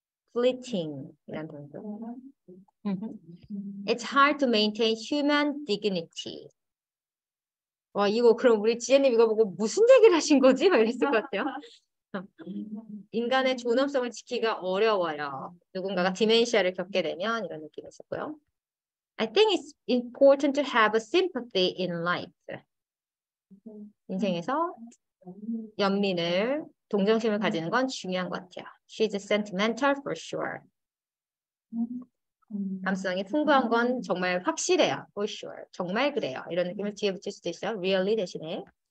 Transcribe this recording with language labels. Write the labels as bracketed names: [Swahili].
[Korean] Fleeting이란 단어. [English] It's hard to maintain human dignity. [Korean] 와 이거 그럼 우리 지혜님 이거 보고 무슨 얘기를 하신 거지? 막 이랬을 것 같아요. 인간의 존엄성을 지키기가 어려워요. 누군가가 디멘시아를 겪게 되면 이런 느낌이 있었고요. [English] I think it's important to have a sympathy in life. [Korean] 인생에서 연민을, 동정심을 가지는 건 중요한 것 같아요. [English] She's sentimental for sure. [Korean] 감성이 풍부한 건 정말 확실해요. [English] For sure. [Korean] 정말 그래요. 이런 느낌을 뒤에 붙일 수도 있어요. Really 대신에.